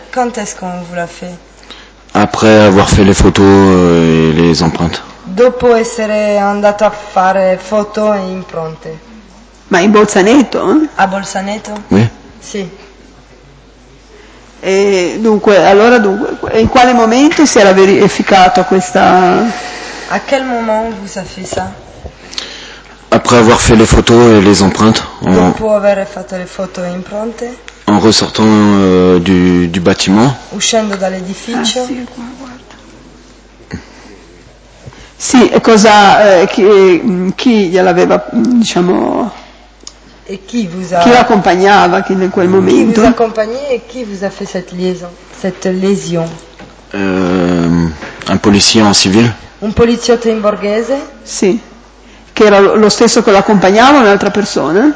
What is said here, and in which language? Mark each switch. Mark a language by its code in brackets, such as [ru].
[fr] Quand est-ce qu'on vous l'a fait? Après avoir fait les photos et les empreintes. [it] Dopo essere andato a fare foto e impronte. Ma in Bolzaneto? A Bolzaneto? [fr] Oui. [it] Sì. E dunque, allora dunque, in quale momento si era verificato questa? A quel momento [fr] vous avez fait ça? Après avoir fait les photos et les empreintes. [it] Dopo aver fatto le foto e impronte. [fr] En ressortant du bâtiment. [it] Uscendo dall'edificio. Sì, e cosa chi gliel'aveva, diciamo. E chi [fr] vous a. [it] Chi l'accompagnava in quel momento? [fr] Chi vous accompagnait [it] e chi [fr] vous a fait cette lésion? Un policier en civil. [it] Un poliziotto in borghese? Sì. Che era lo stesso che l'accompagnava, un'altra persona?